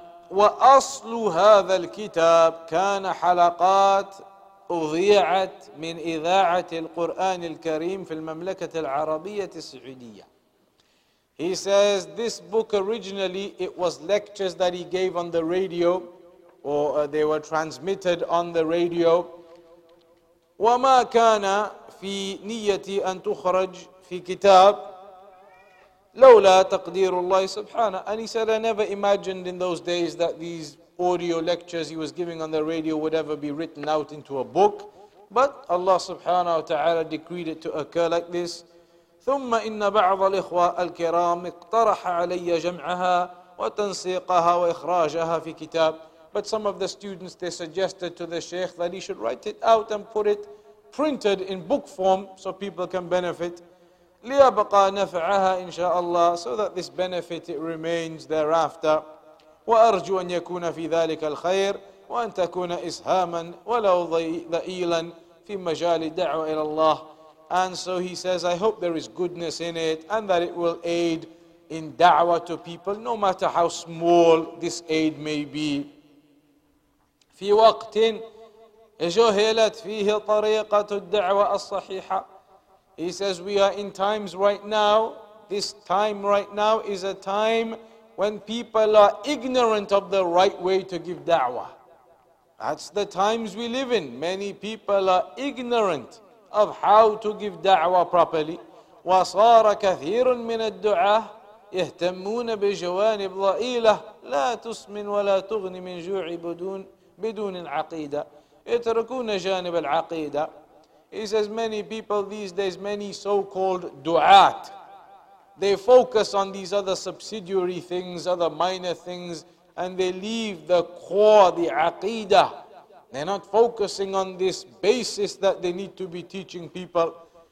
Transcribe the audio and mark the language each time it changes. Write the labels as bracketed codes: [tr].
[ar] وَأَصْلُ هَذَا الْكِتَابِ كَانَ حَلَقَاتٍ أضيعت من إذاعة القرآن الكريم في المملكة العربية السعودية. [en] He says, this book originally, it was lectures that he gave on the radio, or they were transmitted on the radio. [ar] وما كان في نيتي أن تخرج في كتاب لولا تقدير الله سبحانه. [en] And he said, I never imagined in those days that these audio lectures he was giving on the radio would ever be written out into a book. But Allah subhanahu wa ta'ala decreed it to occur like this. [ar] ثُمَّ إِنَّ بَعْضَ الْإِخْوَاءَ الْكِرَامِ اقْتَرَحَ عَلَيَّ جَمْعَهَا وَتَنْسِيقَهَا وَإِخْرَاجَهَا فِي كِتَابٍ. [en] But some of the students, they suggested to the Shaykh that he should write it out and put it printed in book form so people can benefit. [ar] لِيَبَقَى نَفْعَهَا إِنْ شَاءَ اللَّهِ, [en] so that this benefit it remains thereafter. [ar] وأرجو أن يكون في ذلك الخير وأن تكون إسهاما ولو ضئيلا في مجال دعوة إلى الله. [en] And so he says, I hope there is goodness in it and that it will aid in da'wah to people, no matter how small this aid may be. [ar] في وقت جهلت فيه طريقة الدعوة الصحيحة. [en] He says, we are in times right now, this time right now is a time when people are ignorant of the right way to give da'wah. That's the times we live in. Many people are ignorant of how to give da'wah properly. [ar] وصار كثير من الدعاء يهتمون بجوانب ضئيلة لا تسمن ولا تغني من جوع بدون العقيدة. يتركون جانب العقيدة. [en] He says many people these days, many so-called du'at, they focus on these other subsidiary things, other minor things, and they leave the core, the aqeedah. They're not focusing on this basis that they need to be teaching people.